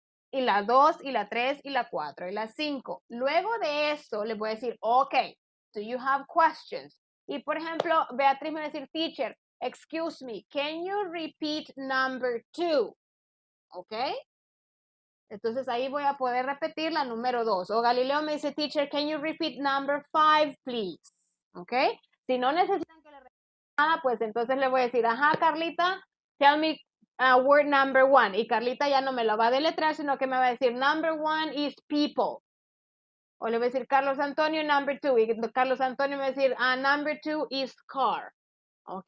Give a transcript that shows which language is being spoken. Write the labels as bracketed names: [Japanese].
[Spanish] Y la 2, y la 3, y la 4, y la 5. Luego de eso, les voy a decir, ok, do you have questions? [English] Y por ejemplo, Beatriz me va a decir, teacher, excuse me, can you repeat number 2? ¿Ok? [Spanish] Entonces ahí voy a poder repetir la número 2. [English] O Galileo me dice, teacher, can you repeat number 5, please? ¿Ok? [Spanish] Si no necesitan que le repita nada, pues entonces le voy a decir, ajá, Carlita, tell me word number 1. Y Carlita ya no me lo va a deletrear, sino que me va a decir, number 1 is people. O le voy a decir, Carlos Antonio, number 2. Y Carlos Antonio me va a decir, number 2 is car. ¿Ok?